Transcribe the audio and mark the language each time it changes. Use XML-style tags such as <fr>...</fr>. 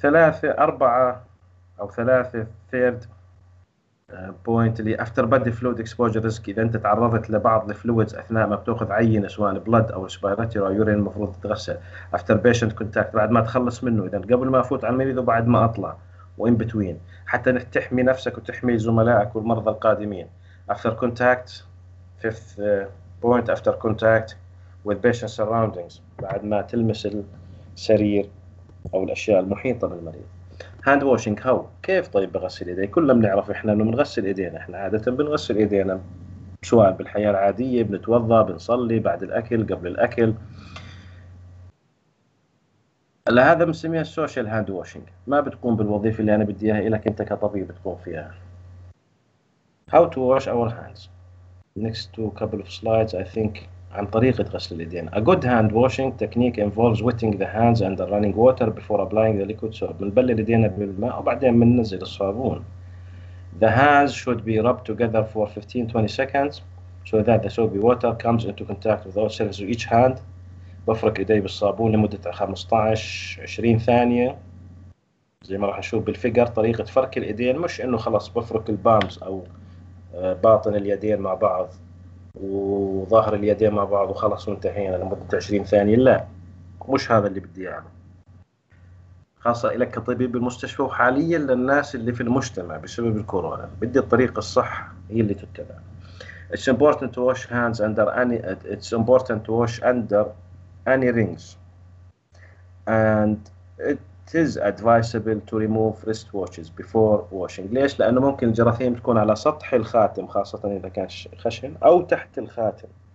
<ar>ثلاثة أربعة أو ثلاثة ثيرد بوينت اللي</ar> <en>after body fluid exposure risk</en> <ar>إذا أنت تعرضت لبعض الفلويدز أثناء ما بتأخذ عينة سواء blood أو respiratory أو urine المفروض تتغسل.</ar> <en>after patient contact</en> <ar>بعد ما تخلص منه إذا قبل ما أفوت على المريض وبعد ما أطلع و</ar> <en>in between</en> <ar>حتى تحمي نفسك وتحمي زملائك والمرضى القادمين.</ar> <en>after contact fifth point after contact with patient surroundings</en> <ar>بعد ما تلمس السرير أو الأشياء المحيطة بالمريض.</ar> <en>hand washing how</en> <ar>كيف طيب بغسل إيدي؟ كلنا بنعرف إحنا إنه بنغسل إيدينا. إحنا عادة بنغسل إيدينا سواء بالحياة العادية بنتوضأ بنصلي بعد الأكل قبل الأكل لا هذا مسميه السوشيال هاند واشينج، ما بتقوم بالوظيفة اللي أنا بدي إياها إلك أنت كطبيب بتقوم فيها.</ar> <en>How to wash our hands. Next to couple of slides, I think</en> <ar>عن طريقة غسل اليدين.</ar> <en>A good hand washing technique involves wetting the hands and the running water before applying the liquid soap.</en> <ar>بنبلل اليدين بالماء وبعدين بننزل الصابون.</ar> <en>The hands should be rubbed together for 15-20 seconds so that the soapy water comes into contact with all cells of each hand.</en> <ar>بفرك يدي بالصابون لمدة 15-20 ثانية. زي ما راح نشوف بالفيجر طريقة فرك اليدين، مش انه خلاص بفرك البامز او باطن اليدين مع بعض وظاهر اليدين مع بعض وخلص وانتهينا لمدة 20 ثانية، لا مش هذا اللي بدي اعمل. خاصة لك كطبيب بالمستشفى وحاليا للناس اللي في المجتمع بسبب الكورونا، بدي الطريقة الصح هي اللي تتبع.</ar> <en>It's important to wash hands under any it's important to wash under any rings and it is advisable to remove wrist watches before washing.</en> <ar>ليش؟ لأنه ممكن الجراثيم تكون على سطح الخاتم خاصة إذا كان خشن أو تحت الخاتم.</ar>